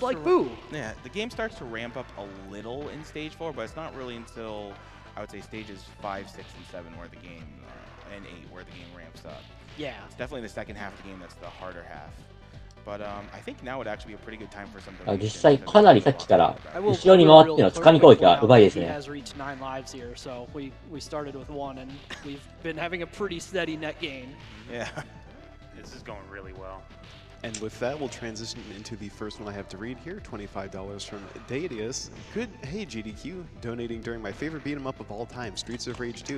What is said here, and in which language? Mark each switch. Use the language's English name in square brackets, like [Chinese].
[English] The game starts to ramp up a little in stage four, but it's not really until I would say stages 5, 6, and 7 where the game and 8 where the game ramps up. Yeah, it's definitely the second half of the game that's the harder half. But I think now would actually be a pretty good time for some donations. [Japanese] 実際かなりさっきから後ろに回ってのつかみ攻撃がうまいですね。 [English] Has reached 9 lives here, so we started with 1 and we've been having a pretty steady net gain. Yeah, this is going really well. And with that, we'll transition into the first one I have to read here. $25 from Deidius. Good, hey GDQ, donating during my favorite beat 'em up of all time, Streets of Rage 2.